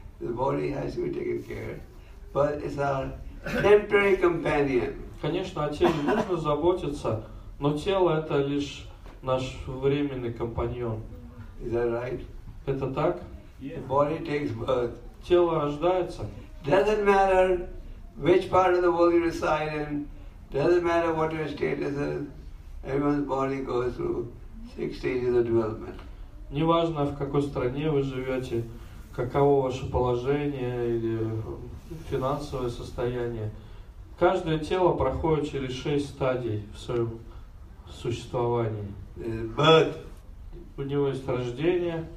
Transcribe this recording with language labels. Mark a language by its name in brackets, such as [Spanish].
[English] The body has to be taken care of, but it's our temporary companion. [Russian] Конечно, о теле нужно заботиться, но тело — это лишь наш временный компаньон. [English] Is that right? [Russian] Это так? [English] Yeah. Body takes birth. [Russian] Тело рождается. [English] Doesn't matter which part of the world you reside in, doesn't matter what your status is, everyone's body goes through six stages of development. [Russian] Неважно, в какой стране вы живете, каково ваше положение или финансовое состояние, каждое тело проходит через 6 стадий в своем существовании. [English] Birth. [Russian] У него есть рождение,